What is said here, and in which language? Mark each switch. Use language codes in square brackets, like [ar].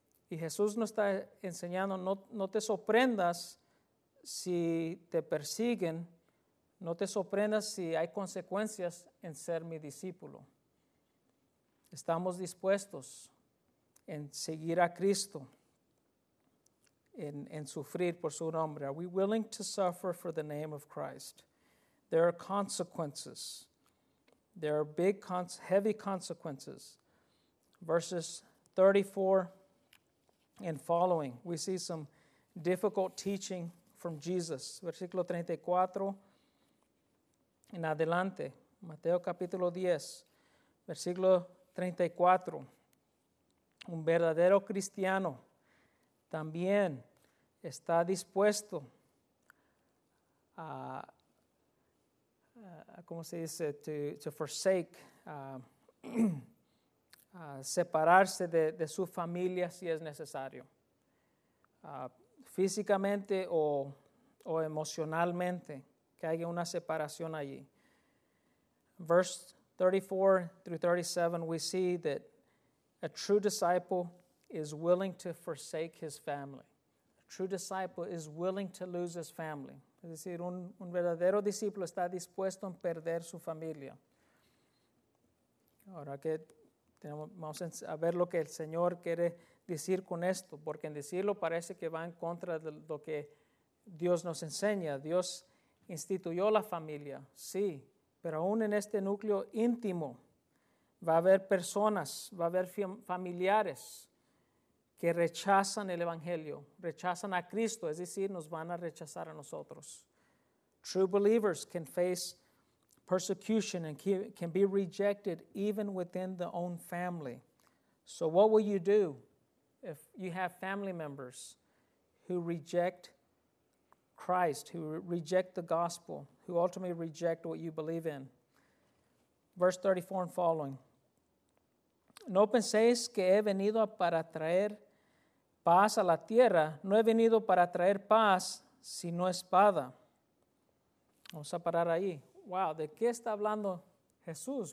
[es] Y Jesús nos está enseñando, no te sorprendas si te persiguen, no te sorprendas si hay consecuencias en ser mi discípulo. Estamos dispuestos en seguir a Cristo, en sufrir por su nombre. [en] Are we willing to suffer for the name of Christ? There are consequences. There are big, heavy consequences. Verses 34 and following, we see some difficult teaching from Jesus. [es] Versículo 34 en adelante, Mateo capítulo 10, versículo 34. Un verdadero cristiano también está dispuesto a, ¿cómo se dice? [en] To forsake, [es] separarse de su familia si es necesario, físicamente o emocionalmente, que haya una separación allí. [en] Verse 34 through 37, we see that a true disciple is willing to forsake his family. A true disciple is willing to lose his family. [es] Es decir, un verdadero discípulo está dispuesto a perder su familia. Ahora que tenemos, vamos a ver lo que el Señor quiere decir con esto, porque en decirlo parece que va en contra de lo que Dios nos enseña. Dios instituyó la familia, sí, pero aún en este núcleo íntimo va a haber personas, va a haber familiares que rechazan el Evangelio, rechazan a Cristo, es decir, nos van a rechazar a nosotros. [en] True believers can face persecution and can be rejected even within the own family. So what will you do if you have family members who reject Christ, who reject the gospel, who ultimately reject what you believe in? Verse 34 and following. [es] No penséis que he venido para traer paz a la tierra. No he venido para traer paz, sino espada. Vamos a parar ahí. Wow, ¿de qué está hablando Jesús?